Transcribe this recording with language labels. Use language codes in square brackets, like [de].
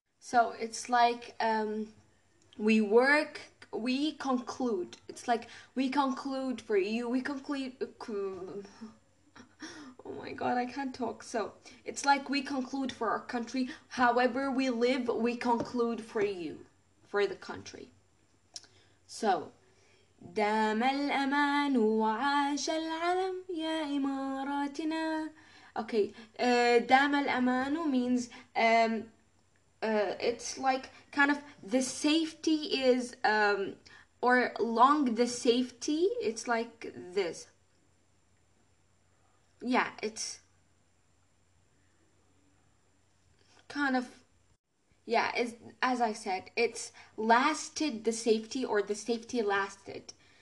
[en] So it's like we work, we conclude. It's like we conclude for you, we conclude. Oh my God, I can't talk. So it's like we conclude for our country. However we live, we conclude for you, for the country. [ar] So دام الأمان وعاش العلم يا إماراتنا. [en] Okay, [ar] دام الأمان [en] means it's like kind of the safety is or long the safety. It's like this. Yeah, it's kind of, yeah, it's, as I said, it's lasted the safety, or the safety lasted.